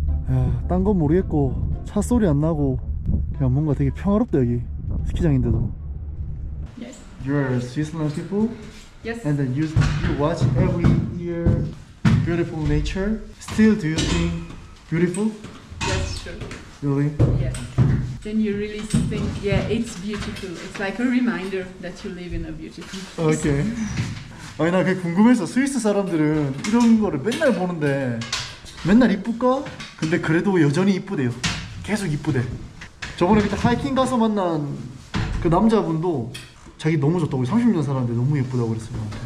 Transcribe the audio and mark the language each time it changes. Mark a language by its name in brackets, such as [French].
[Korean] 야, 딴 건 모르겠고 차 소리 안 나고 그냥 뭔가 되게 평화롭다, 여기 스키장인데도. [English] Yes. You're Switzerland people. Yes. And then you watch every year beautiful nature. Still, do you think beautiful? Yes, sure. Really? Yes. Then you really think, yeah, it's beautiful. It's like a reminder that you live in a beautiful place. Okay. [Korean] 아니, 나 그게 궁금해서 스위스 사람들은 이런 거를 맨날 보는데 맨날 이쁠까? 근데 그래도 여전히 이쁘대요. 계속 이쁘대. 저번에 그때 하이킹 가서 만난 그 남자분도 자기 너무 좋다고, 30년 살았는데 너무 예쁘다고 그랬어요.